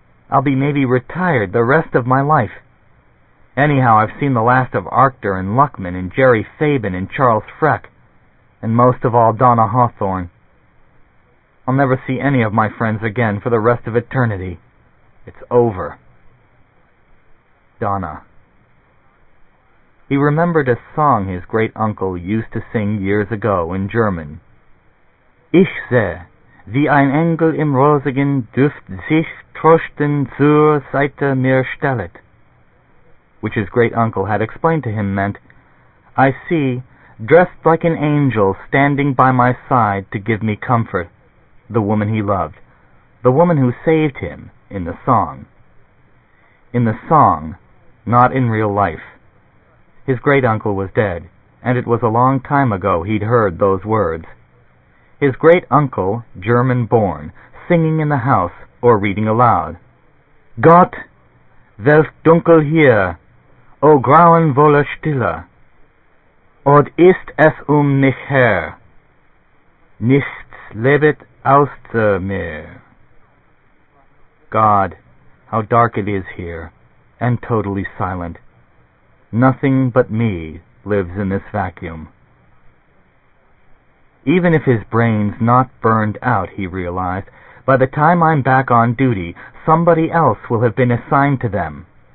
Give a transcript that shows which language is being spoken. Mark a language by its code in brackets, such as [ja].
[en] I'll be maybe retired the rest of my life. Anyhow, I've seen the last of Arctur and Luckman and Jerry Fabin and Charles Freck, and most of all Donna Hawthorne. I'll never see any of my friends again for the rest of eternity. It's over. Donna. He remembered a song his great-uncle used to sing years ago in German. [de] Ich sehe, wie ein Engel im rosigen Duft sich trösten zur Seite mir stellet. [en] Which his great-uncle had explained to him meant, I see, dressed like an angel standing by my side to give me comfort, the woman he loved, the woman who saved him in the song. In the song, not in real life. His great-uncle was dead, and it was a long time ago he'd heard those words. His great-uncle, German-born, singing in the house or reading aloud. [de] Gott, welch dunkel hier! O grauen volle Stille, od ist es mich her, nichts lebet außer mir. [en] God, how dark it is here, and totally silent. Nothing but me lives in this vacuum. Even if his brain's not burned out, he realized, by the time I'm back on duty, somebody else will have been assigned to them.